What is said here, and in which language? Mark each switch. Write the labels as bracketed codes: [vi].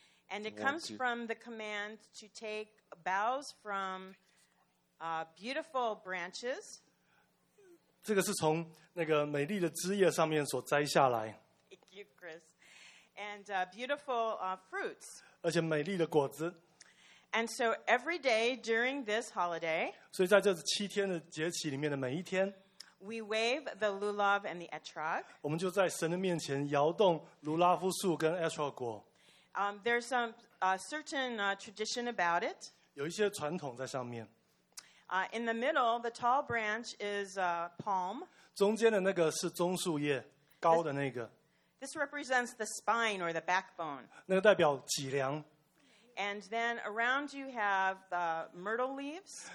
[en] And it comes from the command to take boughs from beautiful branches. [zh] 这个是从那个美丽的枝叶上面所摘下来。 [en] Thank you, Chris. And beautiful fruits. [zh] 而且美丽的果子。 [en] And so every day during this holiday, [zh] 所以在这七天的节期里面的每一天, [en] we wave the lulav and the etrog. [zh] 我们就在神的面前摇动卢拉夫树跟etrog果。 [en] There's some certain tradition about it. [zh] 有一些传统在上面。 [en] In the middle, the tall branch is a palm. [zh] 中间的那个是棕树叶，高的那个。 [en] This represents the spine or the backbone. [zh] 那个代表脊梁。 [en] And then around you have the myrtle leaves.